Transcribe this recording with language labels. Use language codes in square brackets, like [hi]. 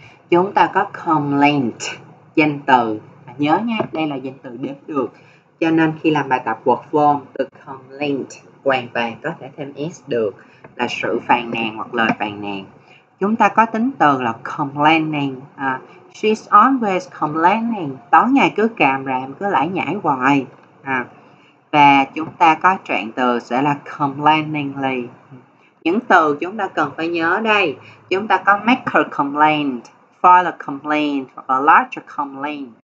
[vi] Chúng ta có complaint danh từ. Nhớ nha, đây là danh từ đếm được. Cho nên khi làm bài tập word form, từ complaint hoàn toàn có thể thêm s được, là sự phàn nàn hoặc lời phàn nàn. Chúng ta có tính từ là complaining. [en] She's always complaining. [vi] Tối ngày cứ càm ràm, cứ lải nhải hoài. Và chúng ta có trạng từ sẽ là complainingly. Những từ chúng ta cần phải nhớ đây. Chúng ta có [en] make a complaint, file a complaint, or lodge a complaint.